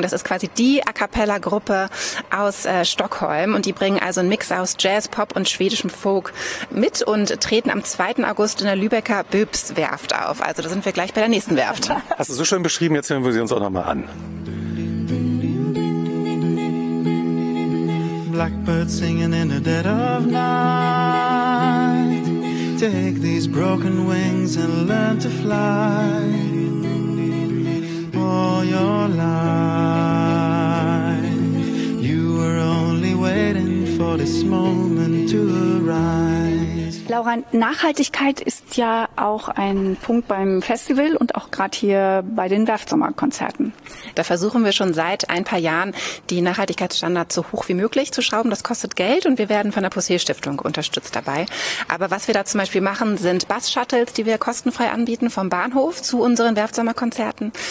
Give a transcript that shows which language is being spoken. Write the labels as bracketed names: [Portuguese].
[German] Das ist quasi die A Cappella-Gruppe aus Stockholm und die bringen also einen Mix aus Jazz, Pop und schwedischem Folk mit und treten am 2. August in der Lübecker Böbs-Werft auf. Also da sind wir gleich bei der nächsten Werft. Hast du so schön beschrieben, jetzt hören wir sie uns auch nochmal an. [English] Blackbirds singing in the dead of night. Take these broken wings and learn to fly all your life. You were only waiting for this moment to arrive. [German] Laura, Nachhaltigkeit ist ja auch ein Punkt beim Festival und auch gerade hier bei den Werftsommerkonzerten. Da versuchen wir schon seit ein paar Jahren, die Nachhaltigkeitsstandards so hoch wie möglich zu schrauben. Das kostet Geld und wir werden von der Posé-Stiftung unterstützt dabei. Aber was wir da zum Beispiel machen, sind Bus-Shuttles, die wir kostenfrei anbieten vom Bahnhof zu unseren Werftsommerkonzerten.